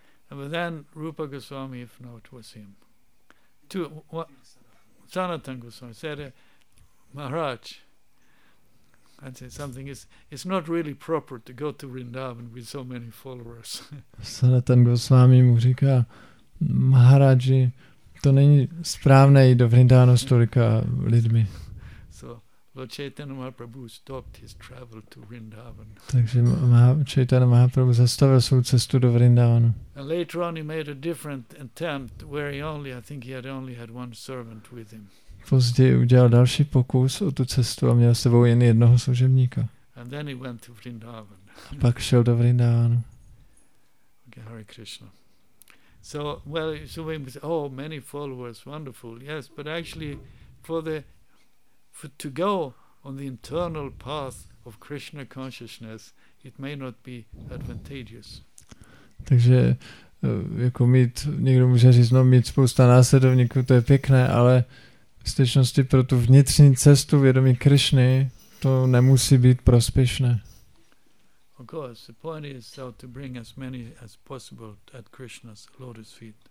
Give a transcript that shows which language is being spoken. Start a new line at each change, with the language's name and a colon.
English: But then Rupa Goswami, if not, was him. Sanatan Goswami said, Maharaj, I'd say something is it's not really proper to go to Vrindavan with so many followers.
Czech: Sanatan Goswami mu říká, Maharaji, to není správné jít do Vrindavanu s tolika lidmi.
English: So Lord Chaitanya Mahaprabhu stopped his travel to Vrindavan.
Czech: Takže Chaitanya Mahaprabhu zastavil svou cestu do Vrindavanu.
English: And later on he made a different attempt where he only, I think he had only had one servant with him.
Czech: Později udělal další pokus o tu cestu a měl s sebou jen jednoho služebníka.
English: And then he went to Vrindavan.
Czech: A pak šel do Vrindavanu.
English: Okay, Hare Krishna. So, well, so we say, oh, many followers, wonderful, yes, but actually, to go on the internal path of Krishna consciousness, it may not be advantageous.
Czech: Takže, jako mít, někdo může říct, no, mít spousta následovníků, to je pěkné, ale v skutečnosti pro tu vnitřní cestu vědomí Krishny, to nemusí být prospěšné.
English: Of course, the point is so to bring as many as possible at Krishna's lotus feet.